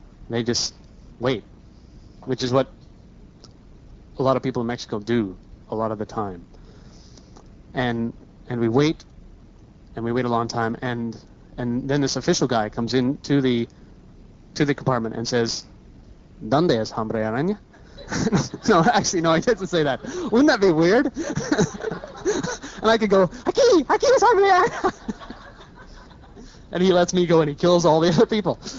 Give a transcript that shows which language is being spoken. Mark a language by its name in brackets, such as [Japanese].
[English] They just wait, which is what a lot of people in Mexico do. A lot of the time, and we wait, and we wait a long time, and then this official guy comes in to the compartment and says, [Spanish] ¿Dónde es hombre araña? [English] No, he doesn't say that. Wouldn't that be weird? And I could go, [Spanish] aquí, aquí es hombre araña. [English] And he lets me go, and he kills all the other people.